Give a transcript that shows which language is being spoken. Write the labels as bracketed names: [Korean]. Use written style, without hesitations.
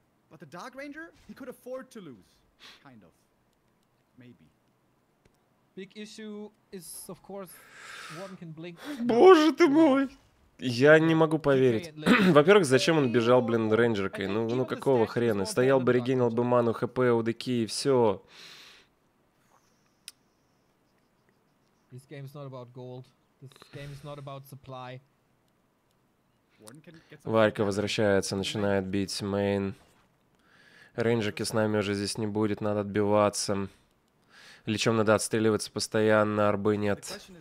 [English] But the Dark Ranger, he could afford to lose. Kind of. Maybe. Big issue is, of course, warden can blink. [Russian] Боже ты мой! Я не могу поверить. Во-первых, зачем он бежал, блин, рейнджеркой? Ну какого хрена? Стоял бы, регенил бы ману, хп, УДК и все. [English] This game is not about gold. This game is not about supply. [Russian] Варька возвращается, начинает бить мейн. Рейнджерки с нами уже здесь не будет, надо отбиваться. Лечом надо отстреливаться постоянно, арбы нет.